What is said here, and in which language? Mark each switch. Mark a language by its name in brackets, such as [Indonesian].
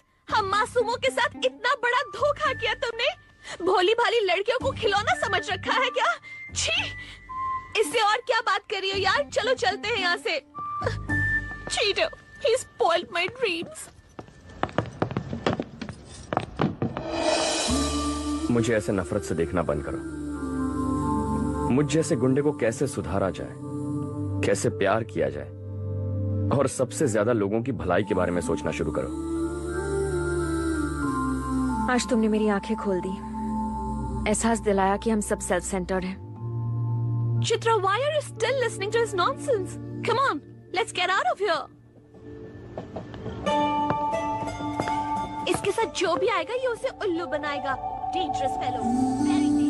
[Hindi] हम मासूमों के साथ इतना बड़ा धोखा किया तुमने? भोली भाली लड़कियों को खिलौना समझ रखा है क्या? छी, इससे और क्या बात करियो यार, चलो चलते हैं यहाँ से। [English] Cheeto, he spoiled my dreams. [Hindi] मुझे ऐसे नफरत से देखना बंद करो। मुझ जैसे गुंडे को कैसे सुधारा जाए, कैसे प्यार किया जाए, और सबसे ज्यादा लोगों की भलाई के बारे में सोचना शुरू करो। आज तुमने मेरी आंखें खोल दी, एहसास दिलाया कि हम सब सेल्फ सेंटर्ड हैं। [English] Chitra, why are you still listening to this nonsense? Come on, let's get out of here. [Hindi] इसके साथ जो भी आएगा ये उसे उल्लू बनाएगा। [English] Dangerous fellow, very